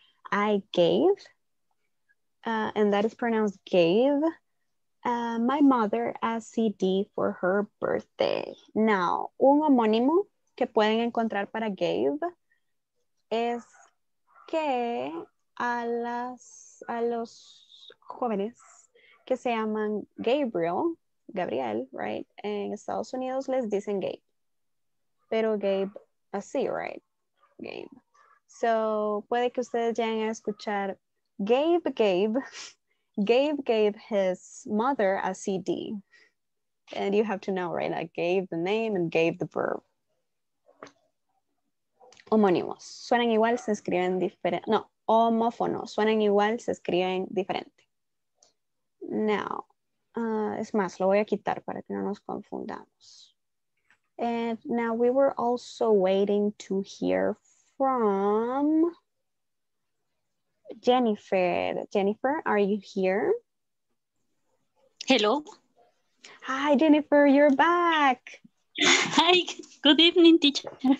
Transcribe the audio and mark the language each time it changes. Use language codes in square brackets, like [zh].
[en] I gave, and that is pronounced gave, my mother a CD for her birthday. [es] Now, un homónimo que pueden encontrar para gave es que a los jóvenes que se llaman Gabriel, right? En Estados Unidos les dicen Gabe. Pero Gabe así, right? Gabe. [en] So, [es] puede que ustedes lleguen a escuchar [en] Gabe gave his mother a CD. And you have to know, right? Like gave the name and gave the verb. [es] Homónimos. Suenan igual, se escriben diferente. No, homófonos. Suenan igual, se escriben diferente. Now, es más, lo voy a quitar para que no nos confundamos. [en] And now we were also waiting to hear from Jennifer. Jennifer, are you here? Hello. Hi, Jennifer, you're back. Hi, good evening, teacher.